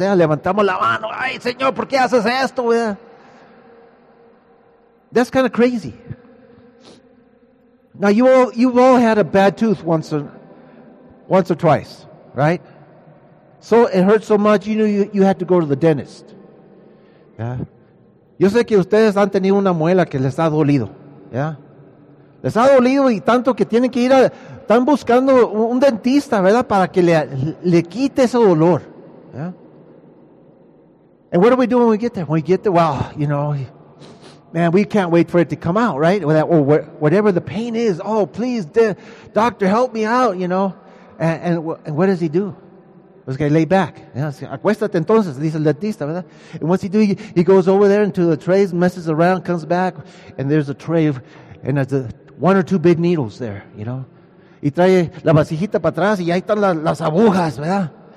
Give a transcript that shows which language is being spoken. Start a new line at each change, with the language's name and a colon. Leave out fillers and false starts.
Spanish: Levantamos la mano. Ay, Señor, ¿por qué haces esto?
English: That's kind of crazy. Now, you've all had a bad tooth once or twice, right? So it hurts so much, you knew you had to go to the dentist.
Spanish: Yo sé que ustedes han tenido una muela que les ha dolido. Les ha dolido y tanto que tienen que ir a... Están buscando un dentista, ¿verdad? Para que le quite ese dolor.
English: And what do we do when we get there? When we get there, well, you know, man, we can't wait for it to come out, right? Or whatever the pain is. Oh, please, doctor, help me out, you know. And what does he do?
Spanish: Pues que
English: lay back.
Spanish: Acuéstate entonces, dice el dentista, ¿verdad?
English: And what's he do? He goes over there into the trays, messes around, comes back, and there's a tray and there's one or two big needles there, you know.
Spanish: Y trae la vasijita para atrás y ahí están las agujas, ¿verdad?